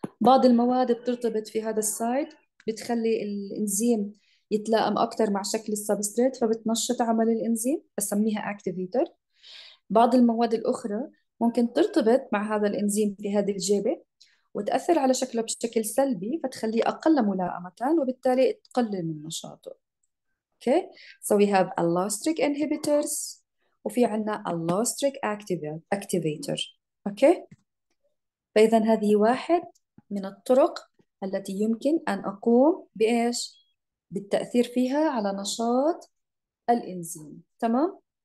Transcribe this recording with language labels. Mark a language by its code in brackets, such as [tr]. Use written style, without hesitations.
[ar] بعض المواد بترتبط في هذا السايد بتخلي الإنزيم يتلائم أكثر مع شكل السبستريت فبتنشط عمل الإنزيم، بسميها أكتيفيتر. بعض المواد الأخرى ممكن ترتبط مع هذا الإنزيم في هذه الجيبة وتأثر على شكله بشكل سلبي فتخليه أقل ملائمة وبالتالي تقلل من نشاطه. [en] Okay. So we have allosteric inhibitors [ar] وفي عندنا [en] allosteric activator. Okay. [ar] فإذا هذه واحد من الطرق التي يمكن أن أقوم بإيش؟ بالتأثير فيها على نشاط الإنزيم، تمام؟